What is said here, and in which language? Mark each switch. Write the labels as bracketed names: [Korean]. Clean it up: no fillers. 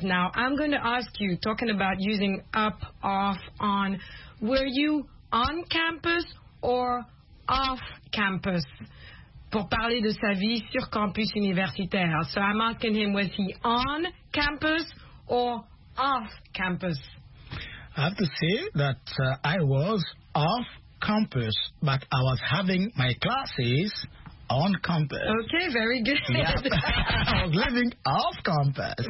[English] Now, I'm going to ask you, talking about using up, off, on, were you on campus or off campus? [French] Pour parler de sa vie sur campus universitaire. [English] So I'm asking him, was he on campus or off campus? I have to say that I was off campus, but I was having my classes on campus. Okay, very good. Yeah. I was living off campus.